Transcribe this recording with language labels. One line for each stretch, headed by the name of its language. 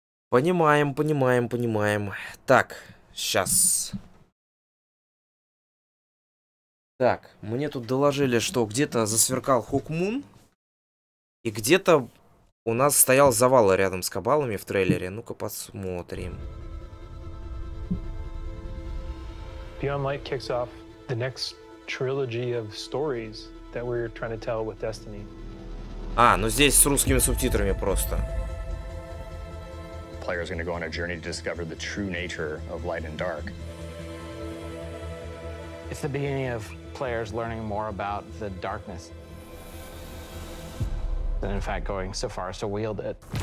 Russian: Понимаем, понимаем, понимаем. Так, сейчас. Так, мне тут доложили, что где-то засверкал Хокмун. И где-то у нас стоял завал рядом с кабалами в трейлере. Ну-ка посмотрим.
English: Beyond Light kicks off the next trilogy of stories that we're trying to tell with Destiny.
Russian: А, ну здесь с русскими субтитрами просто.
English: Players going to go on a journey to discover the true nature of light and dark. It's the beginning of players learning more about the darkness. And in fact, going so far as to wield it.